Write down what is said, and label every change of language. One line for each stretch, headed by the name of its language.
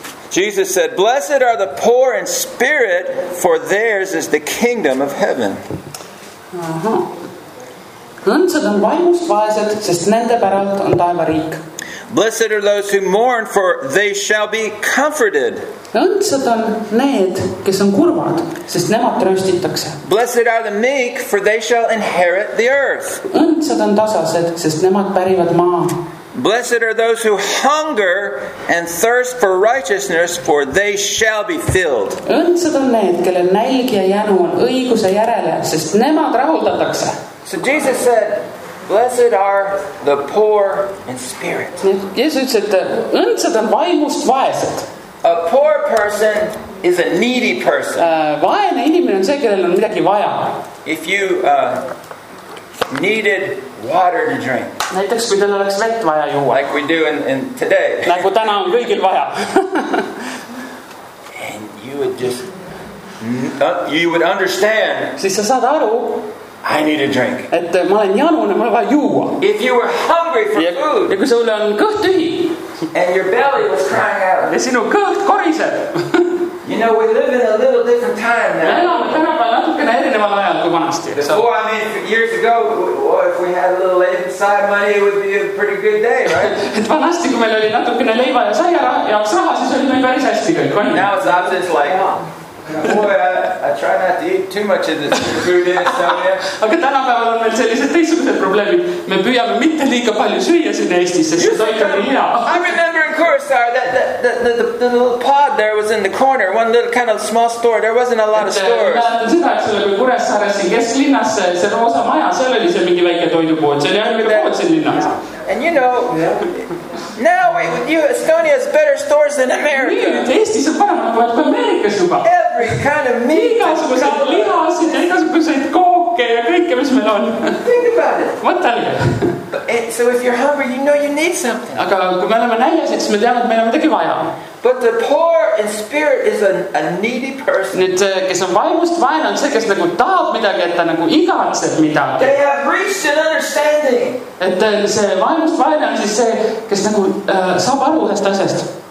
English: Jesus said, "Blessed are the poor in spirit, for theirs is the kingdom of heaven."
Estonian: Õndsad on vaimust vaesed, sest nende päralt on taeva riik.
English: Blessed are those who mourn, for they shall be comforted.
Estonian: Õndsad on need, kes on kurvad, sest nemad röstitakse.
English: Blessed are the meek, for they shall inherit the earth.
Estonian: Õndsad on tasased, sest nemad pärivad maa.
English: Blessed are those who hunger and thirst for righteousness, for they shall be filled.
Estonian: Õnnsed on need, kelle nälg ja janu on õiguse järele, sest nemad rahuldatakse.
English: So Jesus said, blessed are the poor in spirit.
Estonian: Jeesus ütles, et õnnsed on vaimust vaesed.
English: A poor person is a needy person.
Estonian: Vaene inimene on see, kellel on midagi vaja.
English: If you needed water to drink.
Estonian: Näiteks, kui teil oleks vett vaja juua.
English: Like we do in today.
Estonian: Nagu täna on kõigil vaja.
English: And you would just you would understand.
Estonian: Siis sa saad aru.
English: I need a drink.
Estonian: Et ma olen janune, ma olen vaja juua.
English: If you were hungry for food.
Estonian: Ja kui sul on kõht tühi.
English: And your belly was crying out.
Estonian: Ja sinu kõht koriseb.
English: You know, we live in a little different time now.
Estonian: Me elame tänapäeval natukene erineval ajal kui vanasti.
English: Before, I mean, years ago, if we had a little side money, it would be a pretty good day, right?
Estonian: Vanasti, kui meil oli natukene leiva ja saia jaoks raha, siis oli meil päris hästi kõik.
English: Now it's opposite, like, boy, I try not to eat too much of this food in Estonia.
Estonian: Aga tänapäeval on meil sellised teisugused probleemid. Me püüame mitte liiga palju süüa siin Eestis, sest see toit on hea.
English: I remember in Kursar, the little pod there was in the corner, one little kind of small store. There wasn't a lot of stores.
Estonian: Mäletan seda, et selle kui Kuressaare siin kesklinnas, see roosa maja, seal oli see mingi väike toidupood. See oli järgmine pood siin linnas.
English: And you know, now Estonia has better stores than America.
Estonian: Eestis on paremat pood kui Ameerikas juba.
English: Every kind of meat.
Estonian: Igasugused lihasid ja igasugused kooke ja kõike, mis meil on.
English: Think about it.
Estonian: Mõtelge.
English: So if you're hungry, you know you need something.
Estonian: Aga kui me oleme näljas, siis me teame, et meil on midagi vaja.
English: But the poor in spirit is a needy person.
Estonian: Nüüd, kes on vaimust vaena, on see, kes nagu tahab midagi, et ta nagu igatseb midagi.
English: They have reached an understanding.
Estonian: Et see vaimust vaena on siis see, kes nagu saab aru ühest asjast.